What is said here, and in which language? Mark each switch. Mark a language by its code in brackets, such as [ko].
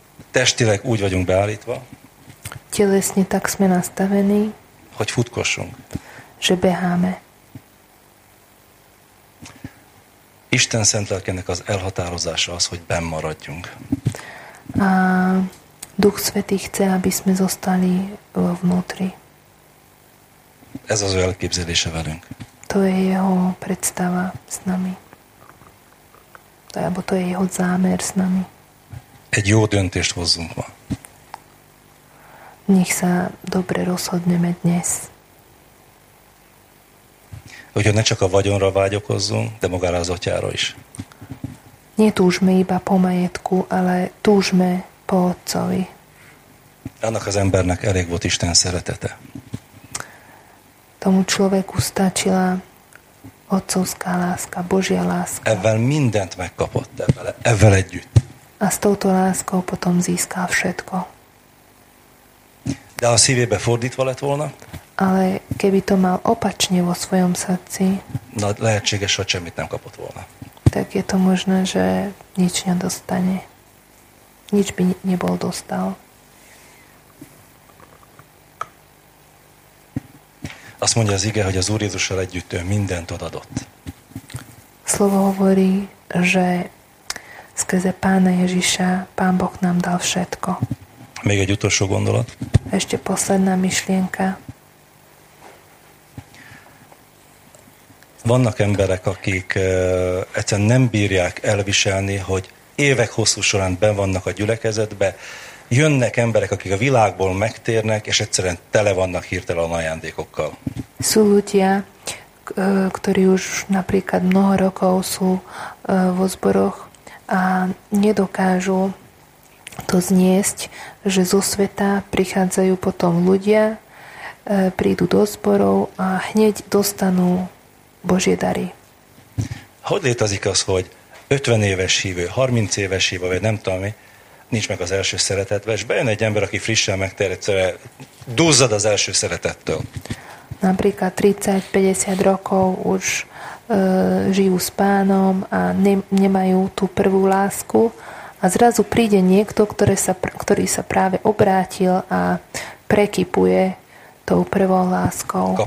[hu] Testileg úgy vagyunk beállítva. [sk] Telesne tak sme nastavení. [hu] Hogy futkossunk. [sk] Že beháme. [hu] Isten szent lelkének az elhatározása az, hogy benn maradjunk. [sk] A Duch Svätý chce, aby sme zostali vnútri. [hu] Ez az ő elképzelése velünk. [sk] To je jeho predstava s nami. Alebo to je jeho zámer s nami. [hu] Egy jó döntést hozzunk ma. [sk] Nech sa dobre rozhodneme dnes. [hu] Úgyhogy ne csak a vagyonra vágyakozzunk, de magára az atyára is. [sk] Ne túžme iba po majetku, ale túžme po otcovi. [hu] Annak az embernek elég volt Isten szeretete. [sk] Tomu človeku stačila otcovská láska, Božia láska. [hu] Ezzel mindent megkapott, ezzel együtt. [sk] A s touto láskou potom získal všetko. [hu] De a szívébe fordítva lett volna. [sk] Ale keby to mal opačne vo svojom srdci. [hu] No, lehetséges, hogy semmit nem kapott volna. [sk] Tak je to možné, že nič nedostane. Nič by nebol dostal. [hu] Azt mondja az ige, hogy az Úr Jézussal együtt ő mindent odadott. [sk] Slovo hovorí, že skrze Pána Ježiša Pán Boh nám dal všetko. [hu] Még egy utolsó gondolat. [sk] Ešte posledná myšlienka. [hu] Vannak emberek, akik egyszerűen nem bírják elviselni, hogy évek hosszú során ben vannak a gyülekezetbe, jönnek emberek, akik a világból megtérnek, és egyszerűen tele vannak hirtelen ajándékokkal. [sk] Sú ľudia, ktorí už napríklad mnoho rokov sú vo zboroch a nedokážu to zniesť, že zo sveta prichádzajú potom ľudia, prídu do zborov a hneď dostanú Božie dary. [hu] Hogy létezik az, hogy 50 éves hívő, 30 éves hívő, vagy nem tudom mi, nincs meg az első szeretetve, és bejön egy ember, aki frissen megtérítve, duzzad az első szeretettől. [sk] Napríklad 30-50 rokov už žijú s Pánom a nemajú tú prvú lásku a zrazu príde niekto, ktorý sa práve obrátil a prekypuje tou prvou láskou.